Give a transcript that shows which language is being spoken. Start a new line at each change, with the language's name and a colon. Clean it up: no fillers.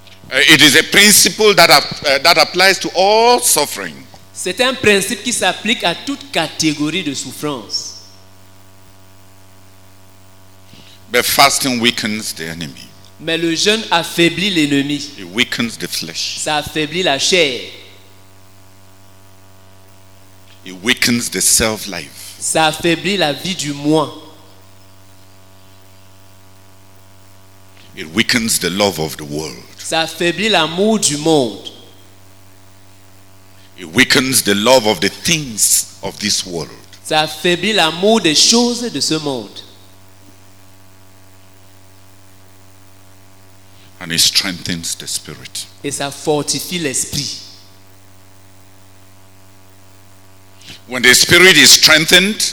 English: It is a principle that applies to all suffering.
French: C'est un principe qui s'applique à toute catégorie de souffrance.
English: But fasting weakens the enemy.
French: Mais le jeûne affaiblit l'ennemi.
English: It weakens the flesh.
French: Ça affaiblit la chair.
English: It weakens the self-life.
French: Ça affaiblit la vie du moi.
English: It weakens the love of the world.
French: Ça affaiblit l'amour du monde.
English: It weakens the love of the things of this world.
French: Ça affaiblit l'amour des choses de ce monde.
English: And it strengthens the spirit.
French: Et ça fortifie l'esprit.
English: When the spirit is strengthened,